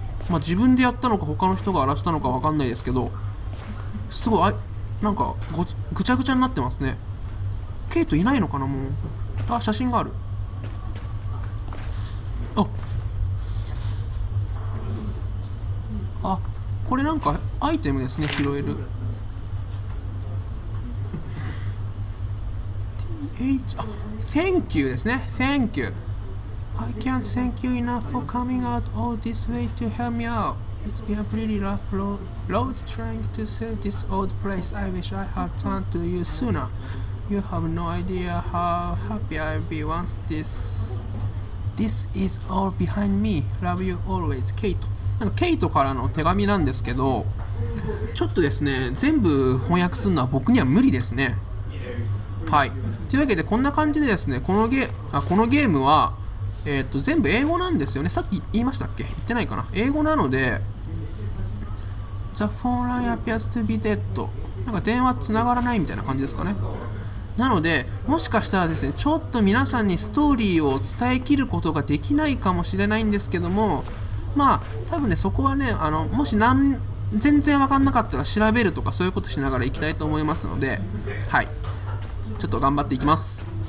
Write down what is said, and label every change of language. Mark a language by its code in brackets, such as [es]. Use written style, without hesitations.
[ja] まあ自分でやったのか他の人が荒らしたのか分かんないですけど、すごい、あ、なんかぐちゃぐちゃになってますね。ケイトいないのかな、もう。あ、写真がある。あ、これなんかアイテムですね、拾える。 [en] TH、あ、Thank you [ja] ですね、 [en] Thank you。 I can't thank you enough for coming out all this way to help me out. It's been a pretty rough road trying to sell this old place. I wish I had turned to you sooner. You have no idea how happy I'll be once this is all behind me. Love you always, Kate. [ja] なんかケイトからの手紙なんですけど、ちょっとですね、全部翻訳するのは僕には無理ですね。はい。というわけで、こんな感じでですね、このゲームは、全部英語なんですよね。さっき言いましたっけ？言ってないかな？英語なので、 [en] The phone line appears to be dead。 [ja] なんか電話つながらないみたいな感じですかね。なのでもしかしたらですね、ちょっと皆さんにストーリーを伝えきることができないかもしれないんですけども、まあ多分ね、そこはね、あのもし全然分かんなかったら調べるとかそういうことしながら行きたいと思いますので、はい、ちょっと頑張っていきます。